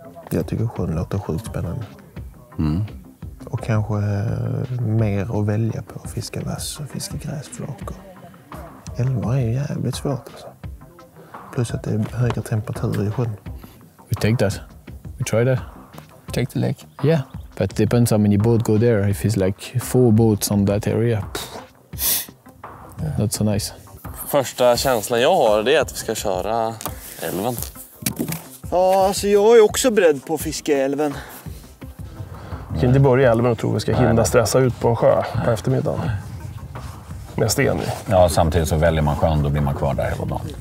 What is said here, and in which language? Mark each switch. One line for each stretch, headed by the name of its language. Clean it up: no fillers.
Swedish: Jag tycker sjön låter sjukt spännande. Mm. Och kanske mer att välja på. Fiska vass och fiska gräsflak. Älvar är ju jävligt svårt alltså. Plus att det är höga temperaturer i sjön.
English: We take that. We try that. Take the lake. Yeah. But it depends how many boats go there. If it's like 4 boats on that area, not so nice.
Swedish: Första känslan jag har är att vi ska köra älven. Ja, alltså jag är också beredd på att fiska älven. Vi kan inte börja älven och tro att vi ska hinna stressa ut på en sjö på eftermiddagen. Med sten i. Ja, samtidigt så väljer man sjön, då blir man kvar där hela dagen.